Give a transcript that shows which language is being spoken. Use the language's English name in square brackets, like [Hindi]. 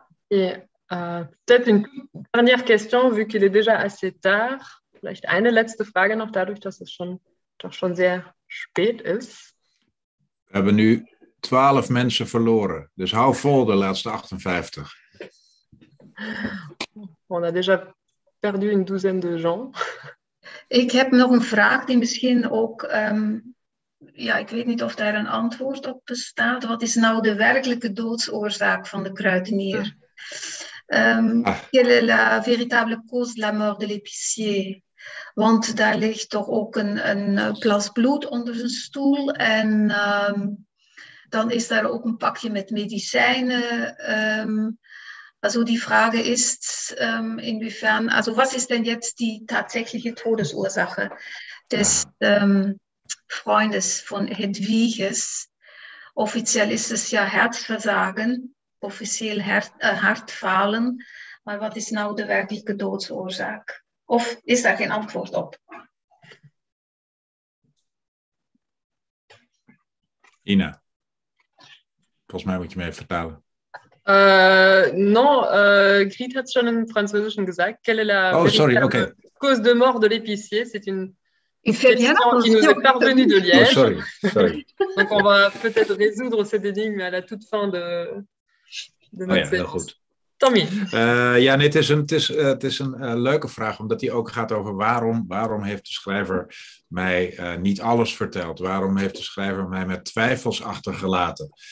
[French] Et peut-être une dernière question, vu qu'il est déjà assez tard. [German] Vielleicht eine letzte Frage noch, dadurch, dass es schon, doch schon sehr spät ist. Wir haben nu 12 Menschen verloren. [Dutch] Dus hou vol de laatste 58. [French] On a déjà perdu une douzaine de gens. [Dutch] Ik heb nog een vraag die misschien ook... ja, ik weet niet of daar een antwoord op bestaat. Wat is nou de werkelijke doodsoorzaak van de kruidenier? [French] Quelle est la véritable cause de la mort de l'épicier? [Dutch] Want daar ligt toch ook een plas bloed onder zijn stoel. En dan is daar ook een pakje met medicijnen. [German] Also die Frage ist, inwiefern, also was ist denn jetzt die tatsächliche Todesursache des Freundes von Hedwiges? Offiziell ist es ja Herzversagen. [Dutch] Officieel hartfalen, maar wat is nou de werkelijke doodsoorzaak? Of is daar geen antwoord op? Ina, volgens mij moet je mij even vertalen. [German] Griet had schon in Französisch [Dutch] gezegd. [French] Quelle est la cause de mort de l'épicier? C'est une question qui nous est parvenue de Liège. Sorry. Donc on va peut-être résoudre cette énigme à la toute fin de. [Dutch] Oh ja, heel goed. Tommy. Het is een leuke vraag, omdat die ook gaat over waarom heeft de schrijver mij niet alles verteld? Waarom heeft de schrijver mij met twijfels achtergelaten?